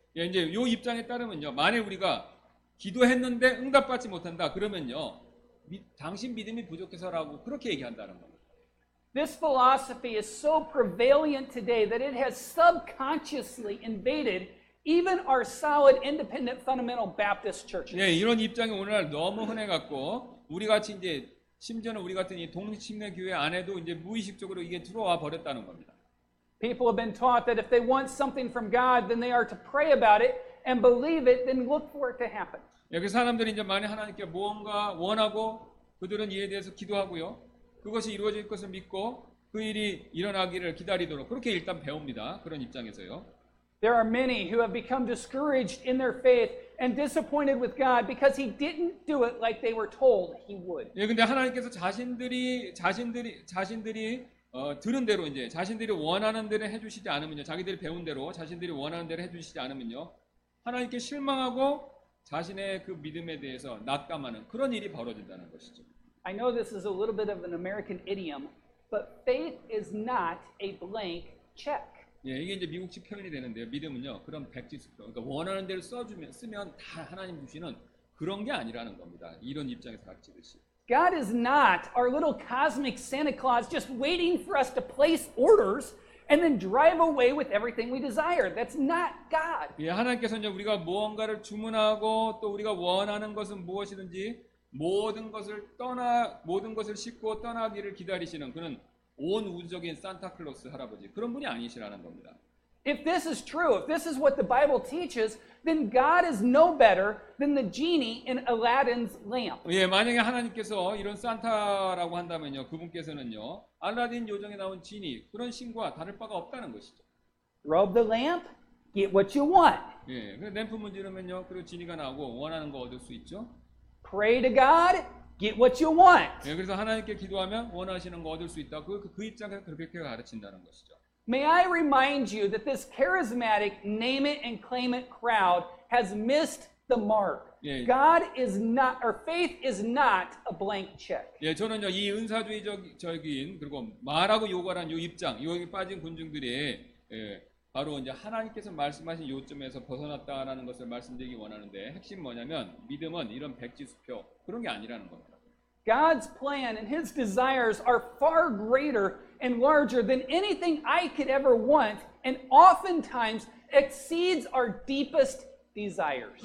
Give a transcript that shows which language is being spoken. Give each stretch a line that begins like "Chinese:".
Korean: 예, 이제 요 입장에 따르면요. 만일 우리가 기도했는데 응답받지 못한다. 그러면요. 당신 믿음이 부족해서라고 그렇게 얘기한다는 겁니다.
English: This philosophy is so prevalent today that it has subconsciously invaded even our solid, independent, fundamental Baptist churches.
Korean: 예, 이런 입장이 오늘날 너무 흔해갖고 우리 같이 이제 심지어는 우리 같은 이 독립침례 교회 안에도 이제 무의식적으로 이게 들어와 버렸다는 겁니다.
English: People have been taught that if they want something from God, then they are to pray about it and believe it, then look for it to happen.
Korean: 예, 그 사람들이 이제 만약 하나님께 뭔가 원하고 그들은 이에 대해서 기도하고요. 그것이 이루어질 것을 믿고 그 일이 일어나기를 기다리도록 그렇게 일단 배웁니다. 그런 입장에서요.
English: There are many who have become discouraged in their faith and disappointed with God because he didn't do it like they were told he would.
Korean: 예, 근데 하나님께서 자신들이 들은 대로 이제 자신들이 원하는 대로 해 주시지 않으면요. 자기들이 배운 대로 자신들이 원하는 대로 해 주시지 않으면요. 하나님께 실망하고 자신의 그 믿음에 대해서 낙담하는 그런 일이 벌어진다는 것이죠.
English: I know this is a little bit of an American idiom, but faith is not a blank check.
Korean: 예, 이게 이제 미국식 표현이 되는데요. 믿음은요, 그런 백지 수표, 그러니까 원하는 대로 쓰면 다 하나님 주시는 그런 게 아니라는 겁니다. 이런 입장에서 각지듯이.
English: God is not our little cosmic Santa Claus just waiting for us to place orders and then drive away with everything we desire. That's not God.
Korean: 예, 하나님께서는 우리가 무언가를 주문하고 또 우리가 원하는 것은 무엇이든지 모든 것을 싣고 떠나기를 기다리시는 그는 온 우주적인 산타클로스 할아버지 그런 분이 아니시라는 겁니다.
English: If this is true, if this is what the Bible teaches, then God is no better than the genie in Aladdin's lamp.
Korean: 예, 만약에 하나님께서 이런 산타라고 한다면요, 그분께서는요, 알라딘 요정에 나온 지니 그런 신과 다를 바가 없다는 것이죠.
English: Rub the lamp, get what you want.
Korean: 예, 그 램프 문지르면요, 그리고 지니가 나오고 원하는 거 얻을 수 있죠.
English: Pray to God, get what you want.
Korean: 예, 그래서 하나님께 기도하면 원하시는 거 얻을 수 있다. 그 입장에서 그렇게 가르친다는 것이죠.
English: May I remind you that this charismatic name it and claim it crowd has missed the mark.
Korean: 예,
English: God is not, or faith is not a blank check.
Korean: 예, 저는요 이 은사주의적인 그리고 말하고 요구하는 요 입장, 여기 빠진 군중들이 예, 바로 이제 하나님께서 말씀하신 요점에서 벗어났다라는 것을 말씀드리기 원하는데 핵심 뭐냐면 믿음은 이런 백지 수표 그런 게 아니라는 겁니다.
English: God's plan and his desires are far greater and larger than anything I could ever want and oftentimes exceeds our deepest desires.